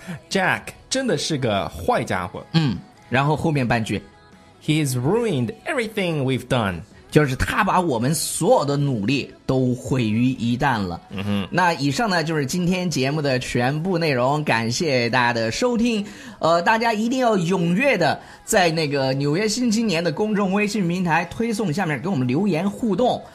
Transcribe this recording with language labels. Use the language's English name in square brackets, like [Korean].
[Chinese] Jack 真的是个坏家伙。嗯，然后后面半句 [English] ，He has ruined everything we've done. [Chinese] 就是他把我们所有的努力都毁于一旦了。嗯哼，那以上呢就是今天节目的全部内容，感谢大家的收听。大家一定要踊跃的在那个纽约新青年的公众微信平台推送下面给我们留言互动，